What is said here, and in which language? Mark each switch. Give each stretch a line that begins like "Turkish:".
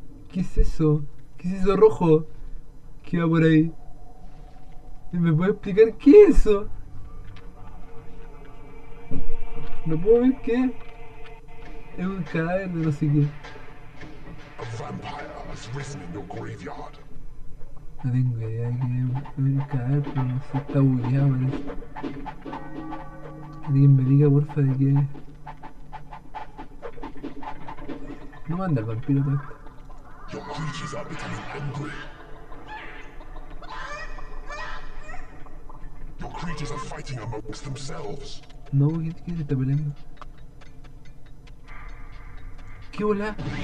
Spanish: ¿Qué es eso rojo que va por ahí? ¿Me puede explicar qué es eso? ¿No puedo ver qué? Es un cadáver de no sé qué.
English: A vampire has risen in your graveyard.
Spanish: No tengo idea de que es un cadáver, pero se está bugueado, parece. Alguien me diga, porfa, de qué. No manda el vampiro para esto.
English: Your creatures are becoming angry. Your creatures are fighting amongst themselves.
Spanish: No, ¿qué se está peleando? ¿Qué hola?